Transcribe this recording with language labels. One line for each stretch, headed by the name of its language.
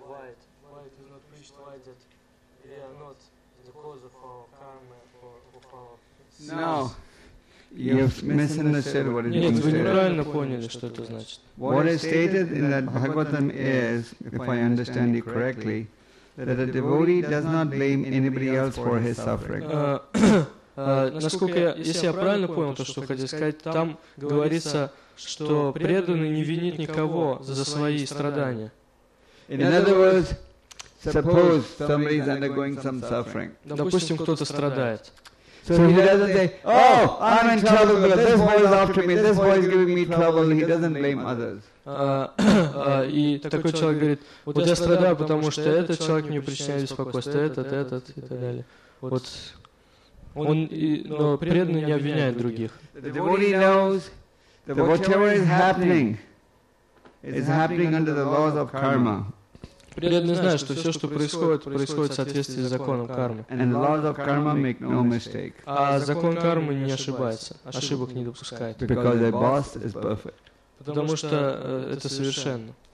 English: Why it is not preached, why that we are not the cause of our karma or of our sins. No. What is stated in that Bhagavatam is, if I understand you correctly, that a devotee does not blame anybody else for his suffering.
Russian: Насколько я, если я правильно понял то, что хотел сказать, там говорится, что преданный не винит никого за свои страдания.
English: In other words, suppose somebody is undergoing some suffering.
Russian: Допустим, кто-то страдает.
English: So he doesn't say, oh, I'm in trouble because this boy is after me, this boy is giving me trouble, he doesn't blame others.
Russian: И такой человек говорит, вот я страдаю, потому что этот человек мне причиняет беспокойство, этот и так далее. Вот, но преданный не обвиняет других.
English: The devotee knows that whatever is happening under the laws of karma.
Russian: Преданный знает, что все, что происходит, происходит в соответствии с законом кармы.
English: And the laws of karma make no mistake.
Russian: А закон кармы не ошибается, ошибок не допускает.
English: Because the boss is perfect.
Russian: Потому что это совершенно.